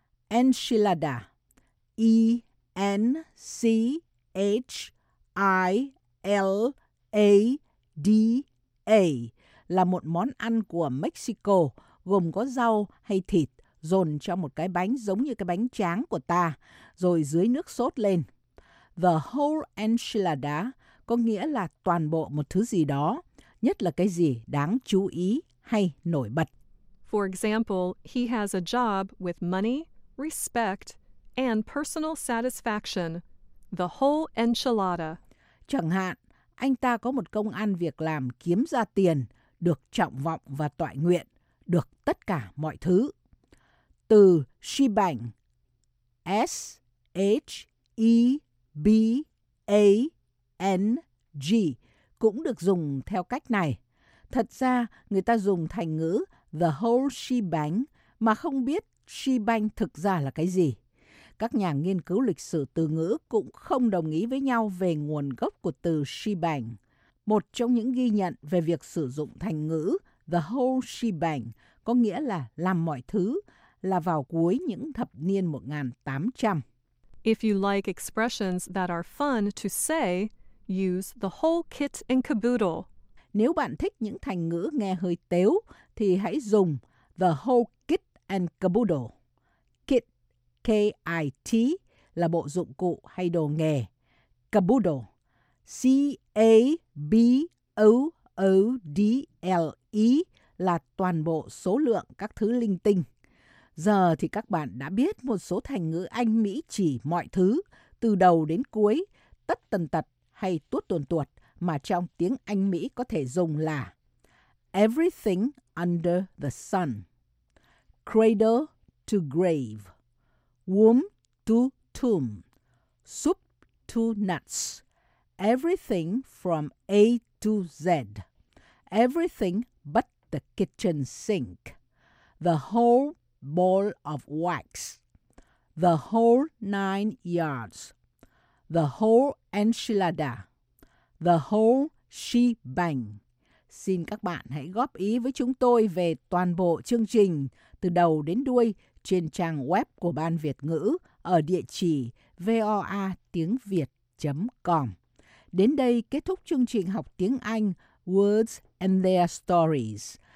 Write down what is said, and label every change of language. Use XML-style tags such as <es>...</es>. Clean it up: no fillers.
<vi>Enchilada, E-N-C-H-I-L-A-D-A, là một món ăn của Mexico, gồm có rau hay thịt dồn trong một cái bánh giống như cái bánh tráng của ta, rồi dưới nước sốt lên. The whole enchilada có nghĩa là toàn bộ một thứ gì đó, nhất là cái gì đáng chú ý hay nổi bật.</vi> <en>For example, he has a job with money, respect, and personal satisfaction. The whole enchilada.</en> <vi>Chẳng hạn, anh ta có một công ăn việc làm kiếm ra tiền, được trọng vọng và toại nguyện, được tất cả mọi thứ. Từ shebang, S-H-E-B-A-N-G, cũng được dùng theo cách này. Thật ra, người ta dùng thành ngữ the whole shebang mà không biết shebang thực ra là cái gì. Các nhà nghiên cứu lịch sử từ ngữ cũng không đồng ý với nhau về nguồn gốc của từ shebang. Một trong những ghi nhận về việc sử dụng thành ngữ the whole shebang có nghĩa là làm mọi thứ là vào cuối những thập niên 1800.</vi> <en>If you like expressions that are fun to say, use the whole kit and caboodle.</en> <vi>Nếu bạn thích những thành ngữ nghe hơi tếu thì hãy dùng the whole kit and caboodle. Kit, K-I-T, là bộ dụng cụ hay đồ nghề. Caboodle, C-A-B-O-O-D-L-E, là toàn bộ số lượng các thứ linh tinh. Giờ thì các bạn đã biết một số thành ngữ Anh Mỹ chỉ mọi thứ, từ đầu đến cuối, tất tần tật hay tuốt tuồn tuột mà trong tiếng Anh Mỹ có thể dùng là everything under the sun.</vi> <en>cradle to grave, womb to tomb, soup to nuts, everything from A to Z, everything but the kitchen sink, the whole ball of wax, the whole 9 yards, the whole enchilada, the whole shebang.</en> <vi>Xin các bạn hãy góp ý với chúng tôi về toàn bộ chương trình từ đầu đến đuôi trên trang web của Ban Việt ngữ ở địa chỉ voatiengviet.com. Đến đây kết thúc chương trình học tiếng Anh Words and Their Stories.</vi>